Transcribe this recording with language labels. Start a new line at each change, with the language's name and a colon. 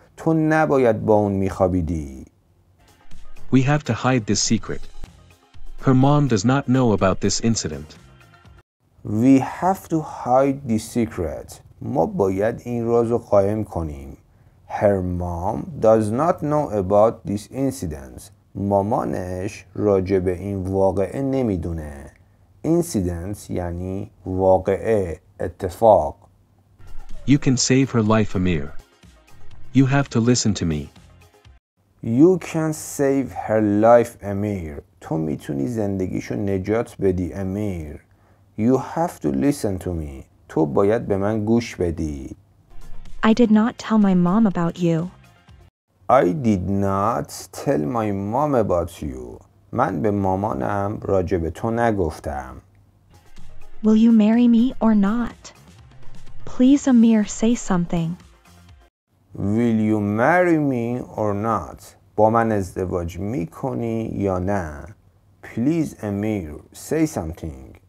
Persian: تو نباید با اون میخوابیدی.
English: We have to hide this secret. Her mom does not know about this incident. We have to hide this secret.
Persian: ما باید این رازو قایم کنیم.
English: Her mom does not know about this incident.
Persian: مامانش راجع به این واقعه نمیدونه. Incident یعنی واقعه, اتفاق.
English: You can save her life, Amir. You have to listen to me. You can save her life, Amir.
Persian: تو میتونی زندگیشو نجات بدی, Amir.
English: You have to listen to me.
Persian: تو باید به من گوش بدی.
English: I did not tell my mom about you. I did not tell my mom about you.
Persian: من به مامانم راجع به تو نگفتم.
English: Will you marry me or not? Please, Amir, say something. Will you marry me or not?
Persian: با من ازدواج میکنی یا نه؟
English: Please, Amir, say something.